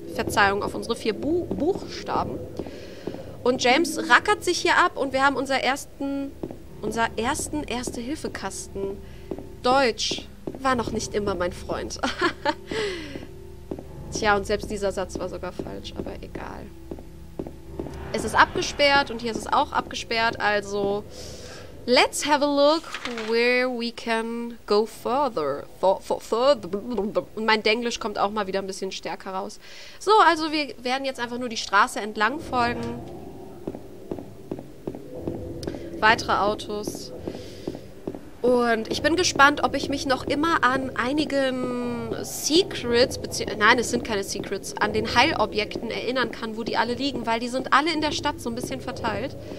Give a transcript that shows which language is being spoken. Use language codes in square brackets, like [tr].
[de] Verzeihung, auf unsere vier Buchstaben. Und James rackert sich hier ab und wir haben unser ersten Erste-Hilfe-Kasten. Deutsch war noch nicht immer mein Freund. Tja, und selbst dieser Satz war sogar falsch, aber egal. Es ist abgesperrt und hier ist es auch abgesperrt, also... [en] Let's have a look where we can go further. [de] Und mein Denglisch kommt auch mal wieder ein bisschen stärker raus. So, also wir werden jetzt einfach nur die Straße entlang folgen. Weitere Autos. Und ich bin gespannt, ob ich mich noch immer an einigen Secrets, nein, es sind keine Secrets, an den Heilobjekten erinnern kann, wo die alle liegen, weil die sind alle in der Stadt so ein bisschen verteilt.